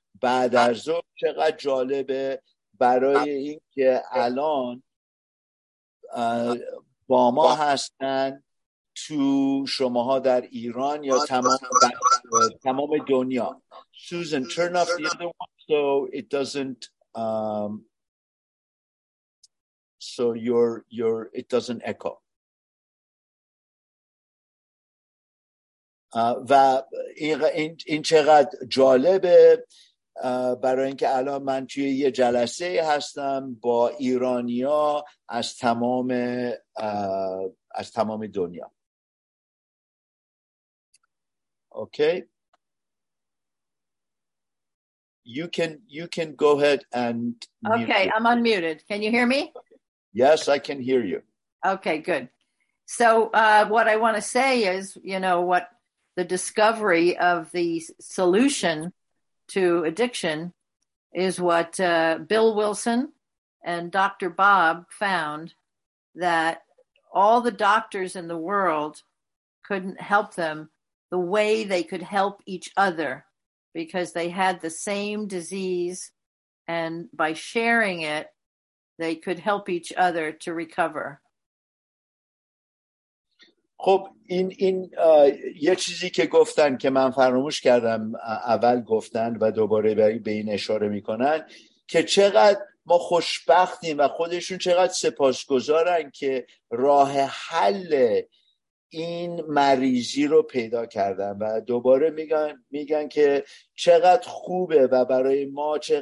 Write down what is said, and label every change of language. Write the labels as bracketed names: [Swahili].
[Persian] بعد از ظهر چقدر جالبه برای اینکه الان با ما هستن تو شماها در ایران یا تمام دنیا. [English] Susan, turn off the other one so it doesn't so your it doesn't echo. [Persian] و این چقدر جالبه برای اینکه الان من توی یه جلسه هستم با ایرانیا از تمام دنیا. [English] Okay you can go ahead and okay mute. I'm unmuted. Can you hear me? Yes, I can hear you. Okay, good. So what I want to say is, you know, what the discovery of the solution to addiction is what Bill Wilson and Dr. Bob found, that all the doctors in the world couldn't help them the way they could help each other, because they had the same disease, and by sharing it, they could help each other to recover. [Persian] خب این یه چیزی که گفتن که من فراموش کردم اول گفتن و دوباره به این اشاره میکنن که چقدر ما خوشبختیم و خودشون چقدر سپاسگزارن که راه حل این مریضی رو پیدا کردن و دوباره میگن که چقدر خوبه و برای ما